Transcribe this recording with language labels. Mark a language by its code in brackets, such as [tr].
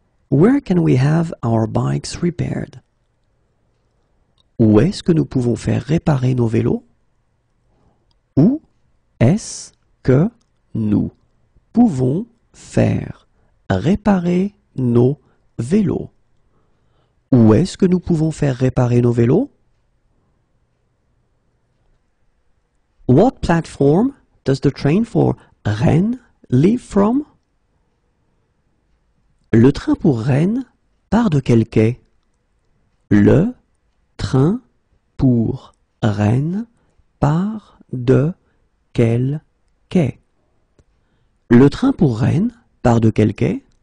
[en] Where can we have our bikes repaired? [fr] Où est-ce que nous pouvons faire réparer nos vélos? Où est-ce que nous pouvons faire réparer nos vélos? Où est-ce que nous pouvons faire réparer nos vélos? [en] What platform does the train for Rennes leave from? [fr] Le train pour Rennes part de quel quai? Le train pour, reine, par, de, quel, quai. Le train pour Rennes part de quel quai?